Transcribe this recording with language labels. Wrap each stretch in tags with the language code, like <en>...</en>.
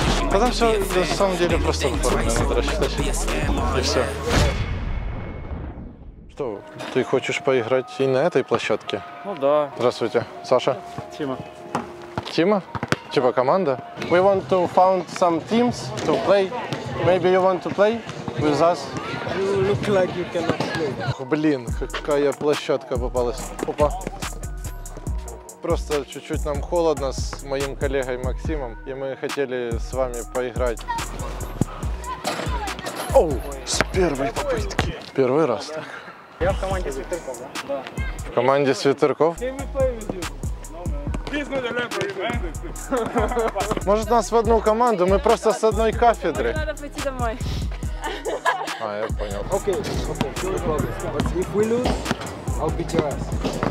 <ru>Потом все на самом деле просто в форме надо рассчитать. И все. Что, ты хочешь поиграть и на этой площадке? Ну да. Здравствуйте. Саша? Тима. Тима? Типа команда?</ru> <en>We want to found some teams to play. Maybe you want to play with us? You look like you cannot play.</en> <ru>Ох, блин, какая площадка попалась. Опа. Просто чуть-чуть нам холодно с моим коллегой Максимом, и мы хотели с вами поиграть. Оу, с первой попытки. Первый раз так. Я в команде Свитерков, да? Да. В команде Свитерков? Может, нас в одну команду? Мы просто с одной кафедры. Надо пойти домой. А, я понял. Окей, окей. Если мы проиграем,</ru> <en>I'll beat your ass.</en>